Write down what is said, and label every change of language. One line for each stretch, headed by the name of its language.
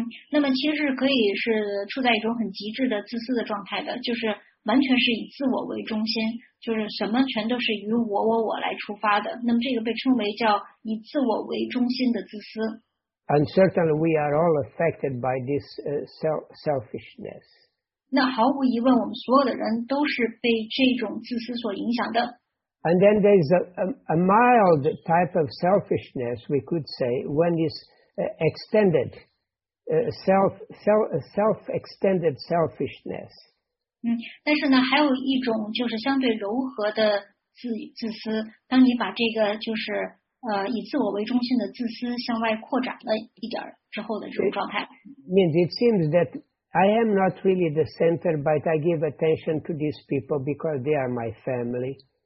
Chinese: 那么其实可以是处在一种很极致的自私的状态的，就是完全是以自我为中心，就是什么全都是以我来出发的，那么这个被称为叫以自我为中心的自私。
English: And certainly we are all affected by this selfishness.
Chinese: 那毫无疑问我们所有的人都是被这种自私所影响的。
English: And then there is a mild type of selfishness, we could say, when it's extended, self-extended selfishness.
Chinese: 但是呢还有一种就是相对柔和的 自私，当你把这个就是以自我为中心的自私向外扩展了一点之后的这种状态。
English: It means it seems that I am not really the center, but I give attention to these people because they are my family.